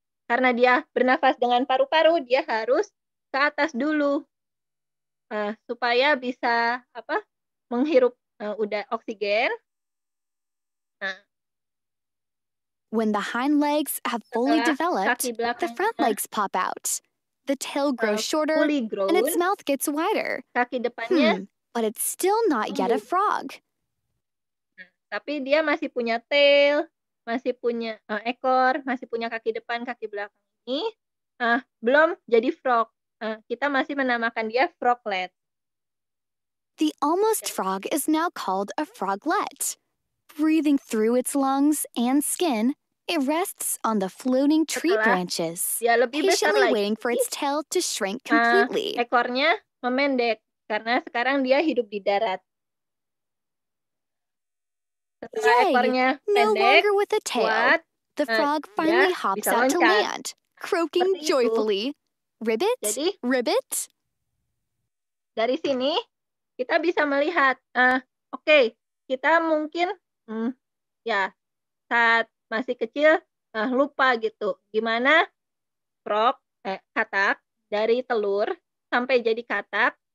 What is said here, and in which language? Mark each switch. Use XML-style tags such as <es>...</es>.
<id>Karena dia bernafas dengan paru-paru, dia harus ke atas dulu supaya bisa apa menghirup udara oksigen.</id> <en>When the hind legs have fully developed, the front legs pop out. The tail grows shorter and its mouth gets wider.</en> <id>Kaki depannya,</id> <en>but it's still not yet a frog.</en> <id>Tapi dia masih punya tail, masih punya ekor, masih punya kaki depan, kaki belakang ini belum jadi frog. Kita masih menamakan dia froglet.</id> <en>The almost frog is now called a froglet. Breathing through its lungs and skin, it rests on the floating tree branches, patiently waiting for its tail to shrink completely.</en> <id>Ekornya memendek karena sekarang dia hidup di darat.</id> <en>No longer with a tail,</en> <id>kuat,</id> <en>the frog finally hops out to land, croaking joyfully. Ribbit,</en> <id>jadi,</id> <en>ribbit.</en> <id>Dari sini kita bisa melihat, kita mungkin, saat masih kecil lupa gitu, gimana frog, katak dari telur sampai jadi katak.</id>